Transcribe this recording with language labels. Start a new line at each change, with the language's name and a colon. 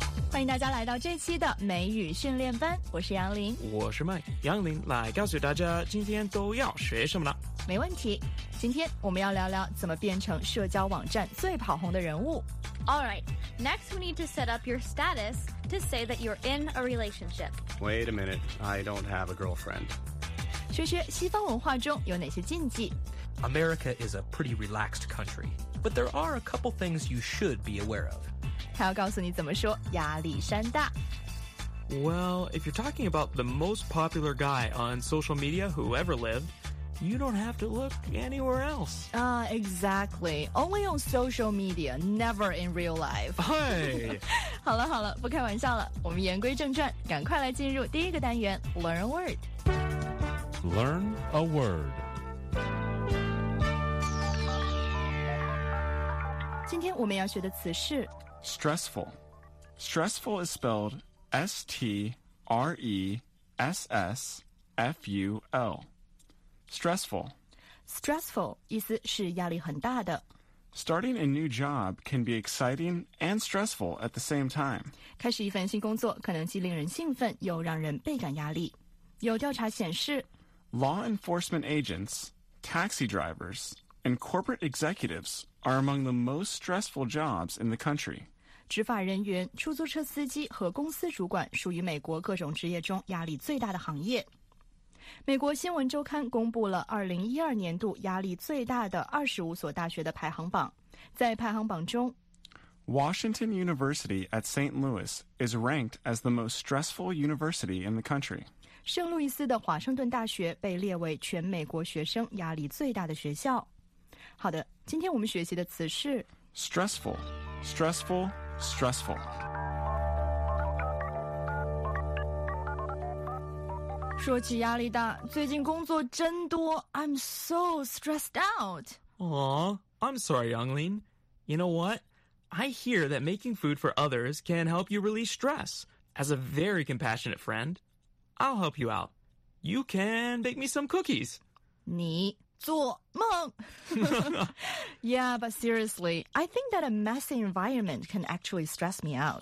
Chinese: 欢迎大家来到这期的美语训练班，我是杨林，我是麦。杨林来告诉大家今天都要学什么了。没问题，今天我们要聊聊怎么变成社交网站最跑红的人物。
English: All right, next we need to set up your status to say that you're in a relationship. Wait a minute, I don't have a girlfriend.
Chinese: 学学西方文化中有哪些禁忌。
English: America is a pretty relaxed country, but there are a couple things you should be aware of.
Chinese: 他要告诉你怎么说亚历山大。
English: Well, if you're talking about the most popular guy on social media who ever lived, you don't have to look anywhere else. Exactly. Only on social media, never in real life. Hey!
Chinese: 好了好了，不开玩笑了，我们言归正传，赶快来进入第一个单元 Learn a Word.
English: Learn a Word.
Chinese: 今天我们要学的词是
English: stressful. Stressful is spelled S-T-R-E-S-S-F-U-L. Stressful.
Chinese: Stressful 意思是压力很大的。
English: Starting a new job can be exciting and stressful at the same time.
Chinese: 开始一份新工作可能既令人兴奋又让人倍感压力。有调查显示
English: Law enforcement agents, taxi drivers, and corporate executivesare among the most stressful jobs in the country.
Chinese: 执法人员、出租车司机和公司主管属于美国各种职业中压力最大的行业。美国新闻周刊公布了2012年度压力最大的25所大学的排行榜。在排行榜中
English: Washington University at St. Louis is ranked as the most stressful university in the country.
Chinese: 圣路易斯的华盛顿大学被列为全美国学生压力最大的学校。好的，今天我们学习的词是
English: stressful, stressful, stressful.
Chinese: 说起压力大，最近工作真多，
English: I'm so stressed out. Aw, I'm sorry, Yonglin. You know what? I hear that making food for others can help you release stress. As a very compassionate friend, I'll help you out. You can bake me some cookies.
Chinese: 你做梦
English: Yeah, but seriously, I think that a messy environment can actually stress me out.